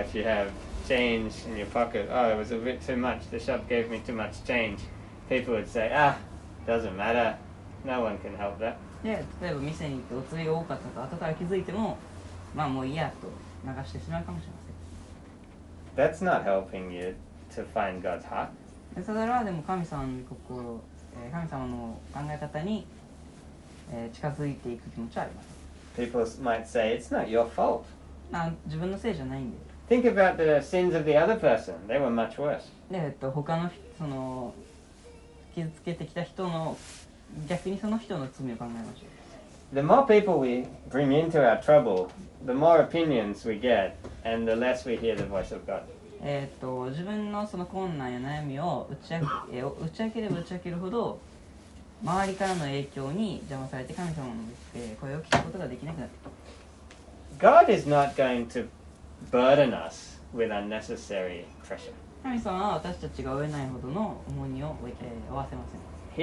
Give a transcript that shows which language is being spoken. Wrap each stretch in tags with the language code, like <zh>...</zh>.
<en>Oh, if you have change in your pocket, oh, it was a bit too much, the shop gave me too much change, people would say, ah, doesn't matter, no one can help that.</en> <ja>で、例えば店に行ってお釣りが多かったと後から気づいてもまあもういいやと流してしまうかもしれません。</ja> <en>That's not helping you to find God's heart.</en> <ja>それはでも神様の心、神様の考え方に近づいていく気持ちはあります。</ja> <en>People might say, it's not your fault.</en> <ja>自分のせいじゃないんで。</ja> <en>Think about the sins of the other person. They were much worse.</en> <ja>で、他の、その、傷つけてきた人の、逆にその人の罪を考えましょう。</ja> <en>The more people we bring into our trouble, the more opinions we get, and the less we hear the voice of God.</en> <ja>自分のその困難や悩みを打ち明ければ打ち明けるほど周りからの影響に邪魔されて神様の声を聞くことができなくなってきます。</ja> <en>God is not going to burden us with unnecessary pressure.</en> <ja>神様は私たちが負えないほどの重荷を負わせません。</ja>